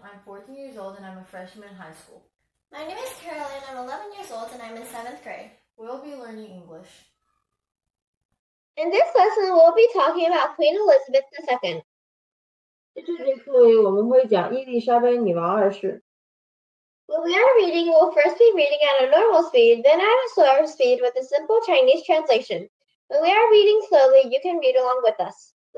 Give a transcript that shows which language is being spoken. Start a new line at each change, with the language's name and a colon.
English: I'm 14 years old and I'm a freshman in high school. My name is Caroleen. I'm 11 years old and I'm in 7th grade. We'll be learning English. In this lesson, we'll be talking about Queen Elizabeth II.
Chinese: 这节课里我们会讲伊丽莎白女王二世。
English: When we are reading, we'll first be reading at a normal speed, then at a slower speed with a simple Chinese translation. When we are reading slowly, you can read along with us.